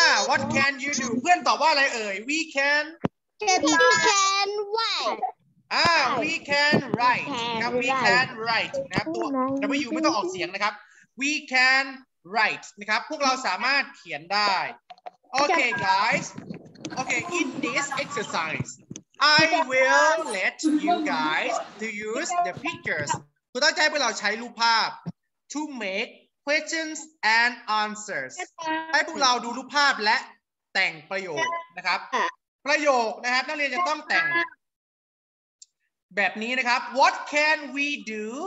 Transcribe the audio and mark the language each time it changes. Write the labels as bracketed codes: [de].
[en] What can you do? [th] เพื่อนตอบว่าอะไรเอ่ย [en] We can. We can write. We can write. ครับ We can write. [th] นะครับตัว W ไม่ต้องออกเสียงนะครับ [en] We can write. [th] นะครับพวกเราสามารถเขียนได้ [en] Okay, guys. Okay, in this exercise, I will let you guys to use the pictures. [th] คุณต้องใจให้พวกเราใช้รูปภาพ [en] to make questions and answers. [th] ให้พวกเราดูรูปภาพและแต่งประโยคนะครับ ประโยคนะครับนักเรียนจะต้องแต่งแบบนี้นะครับ [en] What can we do?